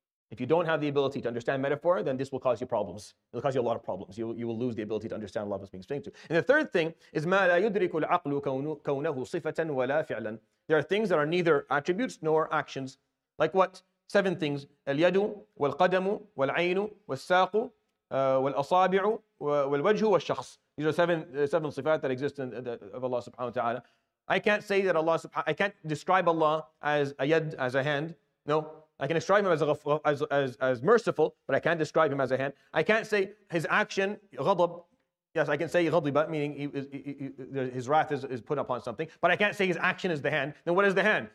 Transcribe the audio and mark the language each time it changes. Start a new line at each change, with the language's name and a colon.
English: If you don't have the ability to understand metaphor, then this will cause you problems. It'll cause you a lot of problems. You will lose the ability to understand what Allah is being explained to. And the third thing is
Arabic: ما لا يدرك العقل كونه صفة ولا فعلا.
English: There are things that are neither attributes nor actions. Like what? 7 things:
Arabic: اليد والقدم والعين والساق والأصابع والوجه والشخص.
English: These are 7 sifat that exist of Allah subhanahu wa ta'ala. I can't say that Allah subhanahu, I can't describe Allah as a yad, as a hand. No, I can describe him as merciful, but I can't describe him as a hand. I can't say his action, ghadab. Yes, I can say ghadiba, meaning his wrath is put upon something, but I can't say his action is the hand. Then what is the hand?